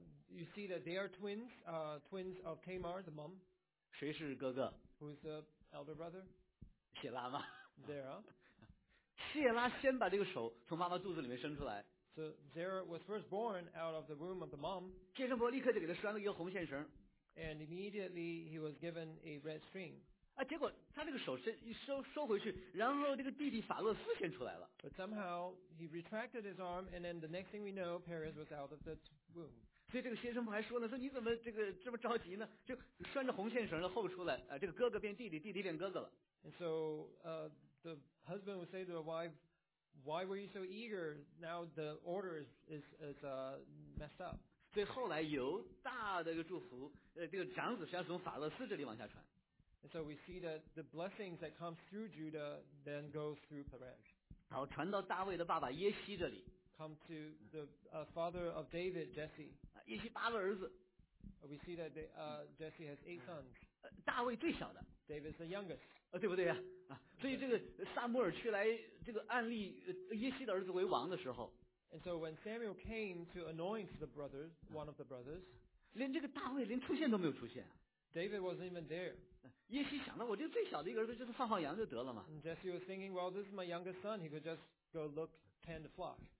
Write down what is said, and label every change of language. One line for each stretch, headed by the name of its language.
English: You see that they are twins, twins of Tamar, the mom.
Chinese: 谁是哥哥？
English: Who is the elder brother?
Chinese: 谢拉吗？
English: Zerah.
Chinese: 谢拉先把这个手从妈妈肚子里面伸出来。
English: So Zerah was first born out of the womb of the mom.
Chinese: 接生婆立刻就给他拴了一个红线绳。
English: And immediately he was given a red string.
Chinese: 啊，结果他这个手收回去，然后这个弟弟法勒斯先出来了。
English: But somehow he retracted his arm, and then the next thing we know, Perez was out of the womb.
Chinese: 所以这个先生还说呢，说你怎么这么着急呢？就拴着红线绳的后出来，这个哥哥变弟弟，弟弟变哥哥了。
English: And so, the husband would say to the wife, Why were you so eager? Now the order is messed up.
Chinese: 对，后来犹大的一个祝福，这个长子实际上从法勒斯这里往下传。
English: And so we see that the blessings that come through Judah then goes through Perez.
Chinese: 然后传到大卫的爸爸耶西这里。
English: Come to the father of David, Jesse.
Chinese: 耶西八个儿子。
English: We see that Jesse has 8 sons.
Chinese: 大卫最小的。
English: David is the youngest.
Chinese: 对不对呀？所以这个撒母耳去来这个按立耶西的儿子为王的时候。
English: And so when Samuel came to anoint the brothers, one of the brothers,
Chinese: 连这个大卫连出现都没有出现。
English: David wasn't even there.
Chinese: 耶西想到我就最小的一个儿子就是放放羊就得了嘛。
English: And Jesse was thinking, well, this is my youngest son. He could just go look tend the flock.